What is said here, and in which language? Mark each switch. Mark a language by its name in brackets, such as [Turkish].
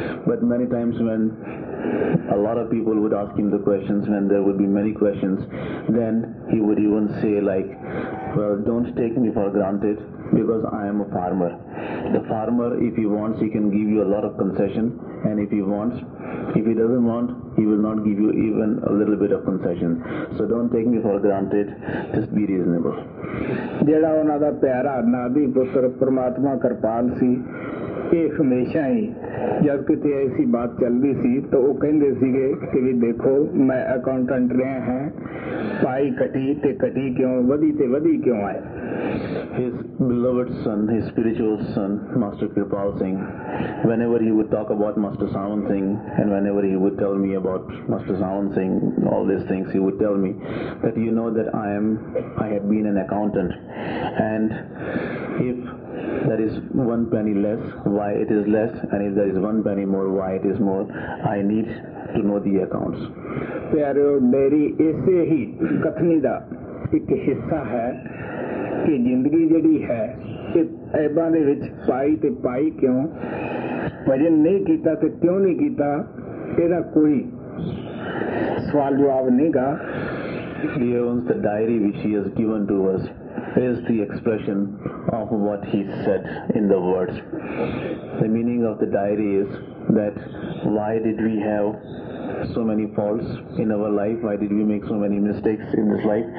[English] But many times when a lot of people would ask him the questions, when there would be many questions, then he would even say like, well, don't take me for granted because I am a farmer. The farmer, if he wants, he can give you a lot of concession, and if he wants, if he doesn't want, he will not give you even a little bit of concession. So don't take me for granted, just be reasonable. [Punjabi] ਜਿਹੜਾ ਉਹਨਾਂ ਦਾ ਪਿਆਰਾ ਨਾਦੀ ਪੁੱਤਰ ਪਰਮਾਤਮਾ ਕਿਰਪਾਲ ਸੀ ਇਹ ਹਮੇਸ਼ਾ ਹੀ ਜਦ ਕਿਤੇ ਐਸੀ ਬਾਤ ਚੱਲਦੀ ਸੀ ਤਾਂ ਉਹ ਕਹਿੰਦੇ ਸੀਗੇ ਕਿ ਵੀ ਦੇਖੋ ਮੈਂ ਅਕਾਊਂਟੈਂਟ ਰਿਹਾ ਹੈ ਪਾਈ ਕੱਟੀ ਤੇ ਕੱਟੀ ਕਿਉਂ ਵਧੀ ਤੇ ਵਧੀ ਕਿਉਂ ਆਏ [English] His beloved son, his spiritual son, Master Kirpal Singh, whenever he would talk about Master Sawan Singh and whenever he would tell me about Master Sawan Singh, all these things, he would tell me that you know that I have been an accountant and if there is one penny less, why it is less, and if there is one penny more, why it is more, I need to know the accounts. [Punjabi] ਪਿਆਰਿਓ ਮੇਰੀ ਇਸੇ ਹੀ ਕਥਨੀ ਦਾ ਇੱਕ ਹਿੱਸਾ ਹੈ ਕਿ ਜ਼ਿੰਦਗੀ ਜਿਹੜੀ ਹੈ ਕਿ ਐਬਾਂ ਦੇ ਵਿੱਚ ਪਾਈ ਤੇ ਪਾਈ ਕਿਉਂ ਭਜਨ ਨਹੀਂ ਕੀਤਾ ਤੇ ਕਿਉਂ ਨਹੀਂ ਕੀਤਾ ਇਹਦਾ ਕੋਈ ਸਵਾਲ ਜਵਾਬ ਨਹੀਂ ਗਾ [English] Dear ones, the diary which he has given to us is the expression of what he said in the words. The meaning of the diary is that why did we have so many faults in our life? Why did we make so many mistakes in this life?